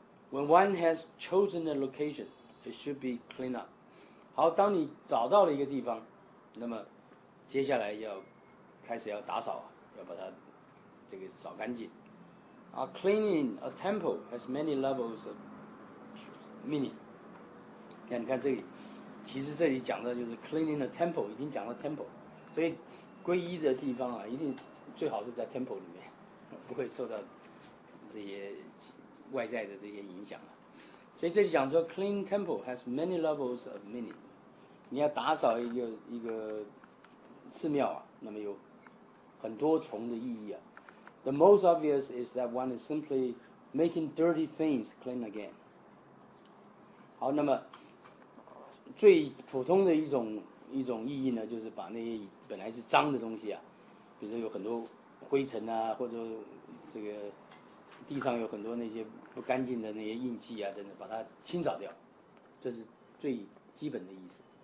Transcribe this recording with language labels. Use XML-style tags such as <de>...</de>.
<en>When one has chosen a location, it should be clean up.</en> <zh>好，当你找到了一个地方，那么接下来要开始要打扫，要把它这个扫干净。</zh> <en>啊 ，cleaning a temple has many levels of meaning.</en> <zh>那你看这里。其实这里讲的就是</zh> <en>cleaning the temple，</en> <zh>已经讲了 temple， 所以皈依的地方啊，一定最好是在 temple 里面，不会受到这些外在的这些影响啊。所以这里讲说</zh> <en>clean temple has many levels of meaning，</en> <zh>你要打扫一个寺庙啊，那么有很多重的意义啊。</zh> <en>The most obvious is that one is simply making dirty things clean again。</en> <zh>好，那么。最普通的一种意义呢，就是把那些本来是脏的东西啊，比如说有很多灰尘啊，或者这个地上有很多那些不干净的那些印记啊等等，把它清扫掉，这是最基本的意思。</zh>